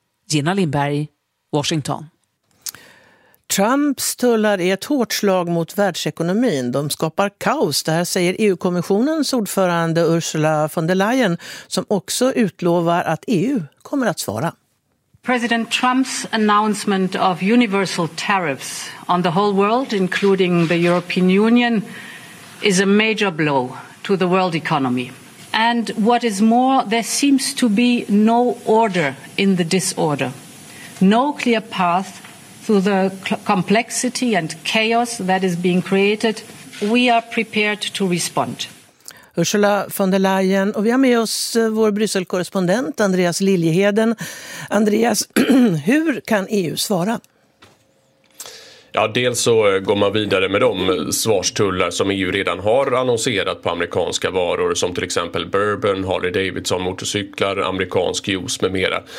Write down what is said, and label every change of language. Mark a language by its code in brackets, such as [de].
[sv] Gina Lindberg, Washington. Trumps tullar är ett hårt slag mot världsekonomin. De skapar kaos, det här säger EU-kommissionens ordförande Ursula von der Leyen, som också utlovar att EU kommer att svara. [en] President Trump's announcement of universal tariffs on the whole world, including the European Union, is a major blow to the world economy. And what is more, there seems to be no order in the disorder. No clear path through the complexity and chaos that is being created. We are prepared to respond. [sv] Ursula von der Leyen, och vi har med oss vår Brysselkorrespondent Andreas Liljeheden. Andreas, hur kan EU svara? Ja, dels så går man vidare med de svarstullar som EU redan har annonserat på amerikanska varor, som till exempel bourbon, Harley-Davidson, motorcyklar, amerikansk juice med mera.